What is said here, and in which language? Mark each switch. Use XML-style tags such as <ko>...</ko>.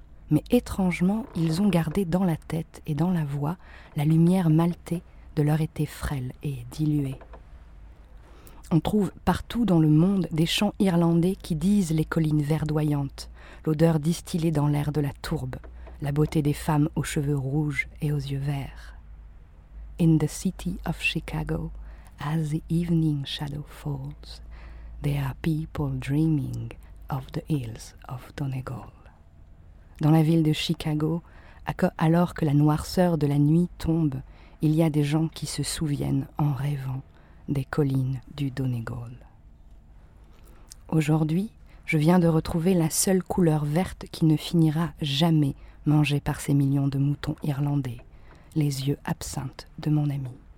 <fr>Mais étrangement, ils ont gardé dans la tête et dans la voix la lumière maltée de leur été frêle et diluée. On trouve partout dans le monde des chants irlandais qui disent les collines verdoyantes, l'odeur distillée dans l'air de la tourbe, la beauté des femmes aux cheveux rouges et aux yeux verts.</fr> <en>In the city of Chicago, as the evening shadow falls, there are people dreaming of the hills of Donegal.</en> <fr>Dans la ville de Chicago, alors que la noirceur de la nuit tombe, il y a des gens qui se souviennent en rêvant des collines du Donegal. Aujourd'hui, je viens de retrouver la seule couleur verte qui ne finira jamais mangée par ces millions de moutons irlandais, les yeux absinthes de mon ami.</fr>